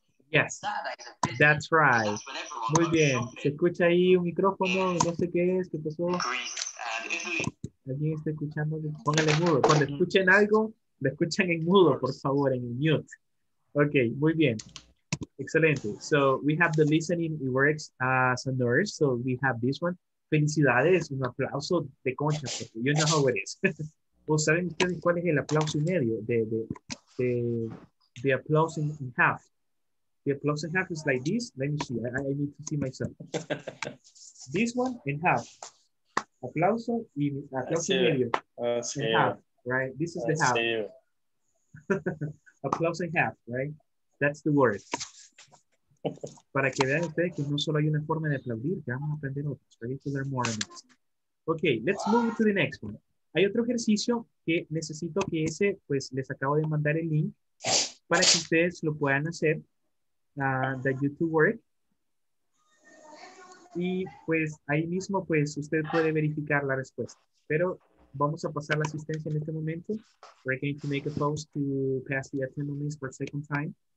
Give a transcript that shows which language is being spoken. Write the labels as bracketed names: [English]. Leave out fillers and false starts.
[English] Yes, that's right. [Spanish] Muy bien. Se escucha ahí un micrófono. No sé qué es. ¿Qué pasó? Alguien está escuchando. Póngale mudo. Cuando escuchen algo, Lo escuchan en mudo, por favor, en mute. Okay, muy bien. Excelente. [English] So we have the listening, it works as a nurse. So we have this one. [Spanish] Felicidades, un aplauso de concha, porque [English] you know how it is. [Spanish] Well, ¿saben ustedes cuál es el aplauso y medio? [English] The applause in half. The applause in half is like this. Let me see. I need to see myself. This one in half. [Spanish] Aplauso y aplauso y medio. [English] In half, right? This is the half. Aplauso in half, right? That's the word. [Spanish] Para que vean ustedes que no solo hay una forma de aplaudir, que vamos a aprender otros. [English] Ready to learn more on this. Okay, let's move to the next one. [Spanish] Hay otro ejercicio que necesito que ese, pues, les acabo de mandar el link para que ustedes lo puedan hacer, [English] the YouTube work. [Spanish] Y, pues, ahí mismo, pues, usted puede verificar la respuesta. Pero vamos a pasar la asistencia en este momento. [English] We're going to make a pause to pass the attendance for a second time.